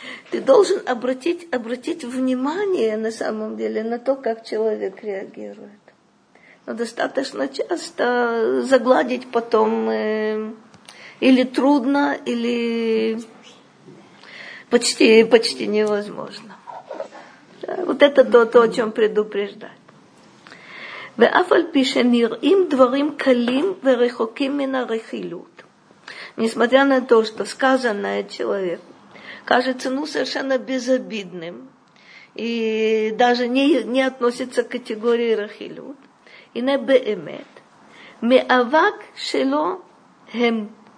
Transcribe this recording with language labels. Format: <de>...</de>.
<ru>Ты должен обратить внимание на самом деле на то, как человек реагирует. Но достаточно часто загладить потом или трудно, или почти невозможно. Да, вот это то, о чем предупреждать.</ru> <he>ואף על פי שנראים דברים קלים ורחוקים מן הרכילות,</he> <ru>несмотря на то, что сказанное человеку кажется ну совершенно безобидным и даже не относится к категории рахилют,</ru> <he>и на беэмет меавак шело гем.</he>